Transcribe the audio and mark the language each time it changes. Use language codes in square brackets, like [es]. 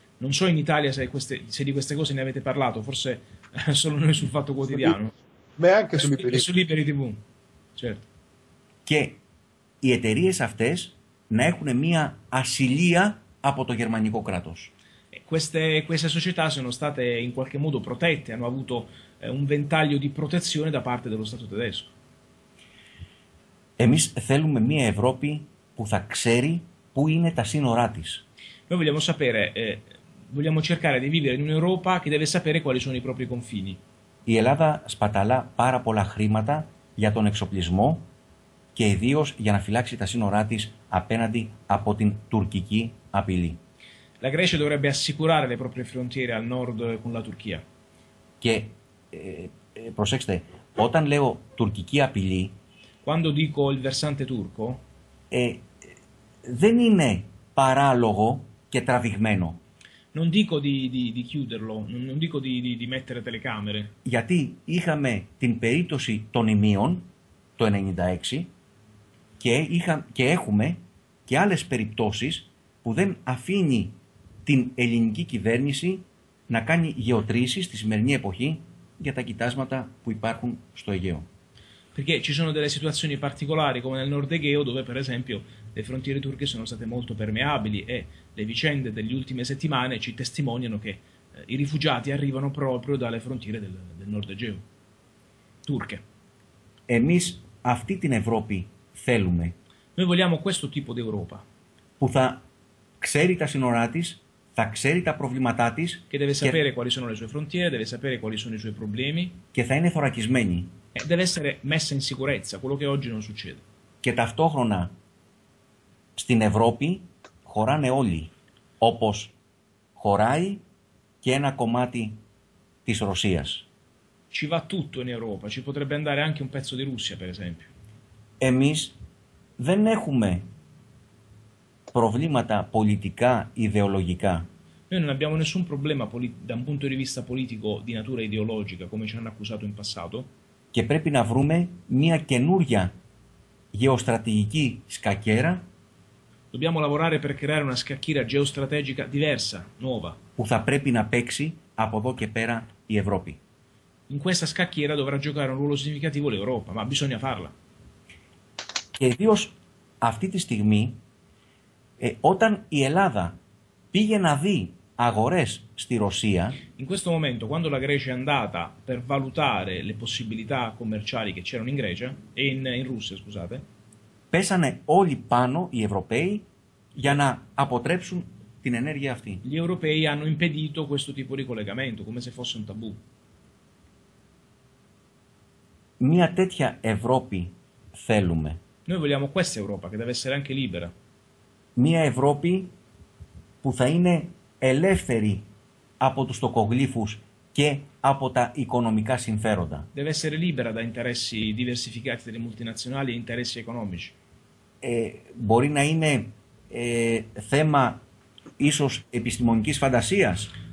[it] Non so in Italia se di queste cose ne avete parlato, forse solo noi sul Fatto Quotidiano. Ma anche su Liberi TV. Su Liberi TV, certo. [el] Che οι εταιρείες αυτές να έχουν μία ασυλία από το γερμανικό κράτος. [it] Queste società sono state in qualche modo protette, hanno avuto un ventaglio di protezione da parte dello Stato tedesco. [el] Εμείς θέλουμε μία Ευρώπη που θα ξέρει πού είναι τα σύνορά της. [it] Noi vogliamo sapere, vogliamo cercare di vivere in un'Europa che deve sapere quali sono i propri confini. [el] Η Ελλάδα σπαταλά πάρα πολλά χρήματα για τον εξοπλισμό και ιδίως για να φυλάξει τα σύνορά της απέναντι από την τουρκική απειλή. [it] La Grecia dovrebbe assicurare le proprie frontiere al nord con la Turchia. [el] Και προσέξτε, όταν λέω τουρκική απειλή, [it] quando dico il versante turco, [el] δεν είναι παράλογο και τραβηγμένο. [it] Non dico di chiuderlo, non dico di mettere telecamere. [el] Γιατί είχαμε την περίπτωση των ημείων, το 96 και έχουμε και άλλες περιπτώσεις που δεν αφήνει την ελληνική κυβέρνηση να κάνει γεωτρήσεις στη σημερινή εποχή για τα κοιτάσματα που υπάρχουν στο Αιγαίο. [it] Perché ci sono delle situazioni particolari come nel Nord Aegeo dove per esempio le frontiere turche sono state molto permeabili e le vicende delle ultime settimane ci testimoniano che i rifugiati arrivano proprio dalle frontiere del Nord Aegeo turche. [el] Εμείς αυτή την Ευρώπη θέλουμε. [it] Noi vogliamo questo tipo d'Europa. [el] Που θα ξέρει τα σύνορά της, θα ξέρει τα προβλήματά της. [it] Και deve sapere quali sono le sue frontiere, deve sapere quali sono i suoi problemi. [el] Και θα είναι θωρακισμένη. [it] Deve essere messa in sicurezza, quello che oggi non succede. [el] Και ταυτόχρονα στην Ευρώπη χωράνε όλοι. Όπως χωράει και ένα κομμάτι της Ρωσίας. [it] Ci va tutto in Europa, ci potrebbe andare anche un pezzo di Russia, per esempio. [el] Εμείς δεν έχουμε προβλήματα πολιτικά ιδεολογικά. [it] Noi non abbiamo nessun problema da un punto di vista politico di natura ideologica, come ci hanno accusato in passato. [el] Και πρέπει να βρούμε μια καινούργια γεωστρατηγική σκακέρα. [it] Dobbiamo lavorare per creare una scacchiera geostrategica diversa, nuova. [el] Που θα πρέπει να παίξει από εδώ και πέρα η Ευρώπη. [it] In questa scacchiera dovrà giocare un ruolo significativo l'Europa, ma bisogna farla. [el] Και ιδίως αυτή τη στιγμή, όταν η Ελλάδα πήγε να δει αγορές στη Ρωσία. [it] In questo momento, quando la Grecia è andata per valutare le possibilità commerciali che c'erano in Grecia, in Russia, scusate. [el] Πέσανε όλοι πάνω οι Ευρωπαίοι για να αποτρέψουν την ενέργεια αυτή. [it] Gli europei hanno impedito questo tipo di collegamento, come se fosse un tabù. [el] Μια τέτοια Ευρώπη θέλουμε. [it] Noi vogliamo questa Europa che deve essere anche libera. [el] Μια Ευρώπη που θα είναι ελεύθερη από τους τοκογλύφους και από τα οικονομικά συμφέροντα. [it] Deve essere libera da interessi diversificati delle multinazionali e interessi economici. [el] Μπορεί να είναι θέμα ίσως επιστημονικής φαντασίας.